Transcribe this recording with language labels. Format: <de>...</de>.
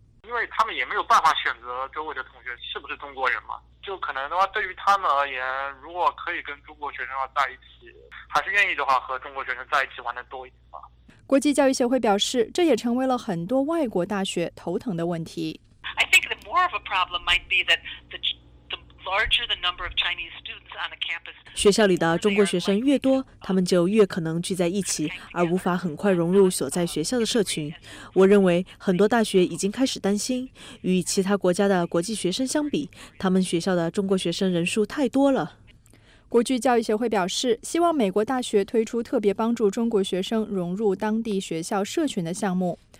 <zh>因为他们也没有办法选择周围的同学是不是中国人嘛，就可能的话对于他们而言，如果可以跟中国学生在一起，还是愿意的话和中国学生在一起玩的多一点吧。国际教育协会表示，这也成为了很多外国大学头疼的问题。</zh> <en>I think the more of a problem might be that the larger the number of Chinese students on a campus.</en> <zh>学校里的中国学生越多，他们就越可能聚在一起，而无法很快融入所在学校的社群。我认为很多大学已经开始担心，与其他国家的国际学生相比，他们学校的中国学生人数太多了。国际教育协会表示，希望美国大学推出特别帮助中国学生融入当地学校社群的项目。</zh>